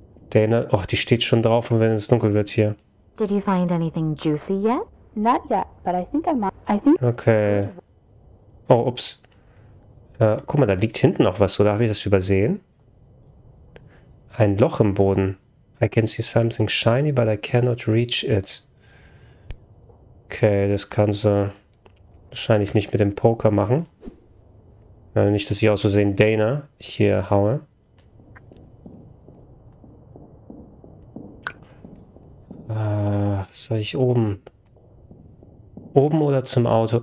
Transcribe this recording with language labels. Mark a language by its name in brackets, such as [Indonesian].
[German] Dana, oh, die steht schon drauf, wenn es dunkel wird hier. [English] Did you find anything juicy yet? Not yet, but I think I'm... I think... Okay. Oh, ups. [German] Guck mal, da liegt hinten noch was, oder? Habe ich das übersehen? Ein Loch im Boden. [English] I can see something shiny, but I cannot reach it. [German] Okay, das kann sie wahrscheinlich nicht mit dem Poker machen. Nicht, dass ich aus Versehen Dana hier haue. Soll ich oben? Oben oder zum Auto?